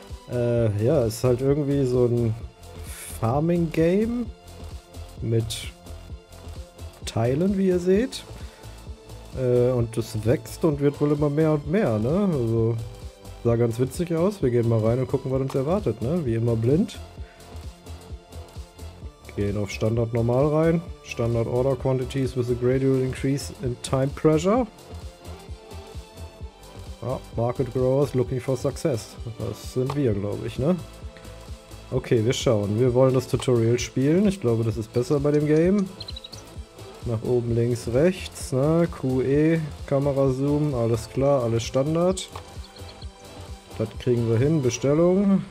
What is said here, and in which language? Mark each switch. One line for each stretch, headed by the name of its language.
German: Ja, es ist halt irgendwie so ein Farming-Game mit Teilen, wie ihr seht. Und das wächst und wird wohl immer mehr und mehr, ne? Also, sah ganz witzig aus. Wir gehen mal rein und gucken, was uns erwartet, ne? Wie immer blind. Gehen auf Standard Normal rein.
English: Standard Order Quantities with a gradual increase in time pressure. Ah, Market Growers looking for success.
German: Das sind wir, glaube ich, ne? Okay, wir schauen. Wir wollen das Tutorial spielen. Ich glaube, das ist besser bei dem Game. Nach oben, links, rechts, ne? QE, Kamera Zoom, alles klar, alles Standard. Das kriegen wir hin. Bestellung.